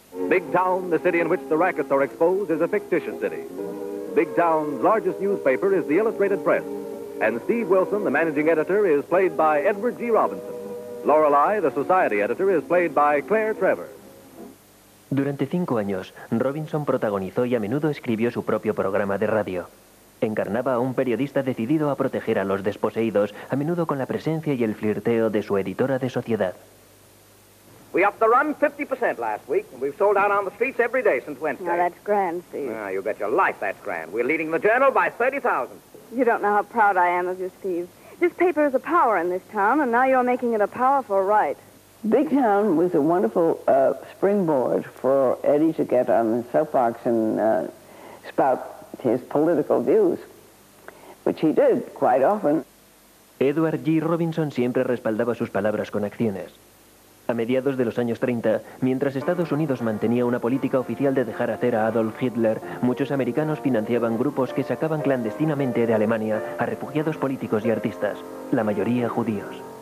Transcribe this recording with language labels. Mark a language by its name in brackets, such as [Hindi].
[English] Big Town, the city in which the rackets are exposed, is a fictitious city. Big Town's largest newspaper is the Illustrated Press, and Steve Wilson, the managing editor, is played by Edward G. Robinson. Lorelei, the society editor, is played by Claire Trevor. [Spanish] Durante 5 años, Robinson protagonizó y a menudo escribió su propio programa de radio. Encarnaba a un periodista decidido a proteger a los desposeídos, a menudo con la presencia y el flirteo de su editora de sociedad. [English] We upped the run 50% last week, and we've sold out on the streets every day since Wednesday. Now, that's grand, Steve. Ah, you bet your life that's grand. We're leading the journal by 30,000. You don't know how proud I am of you, Steve. This paper is a power in this town, and now you're making it a powerful right. Big Town was a wonderful springboard for Eddie to get on the soapbox and spout his political views, which he did quite often. [Spanish] Edward G. Robinson siempre respaldaba sus palabras con acciones. A mediados de los años 30, mientras Estados Unidos mantenía una política oficial de dejar hacer a Adolf Hitler, muchos americanos financiaban grupos que sacaban clandestinamente de Alemania a refugiados políticos y artistas, la mayoría judíos.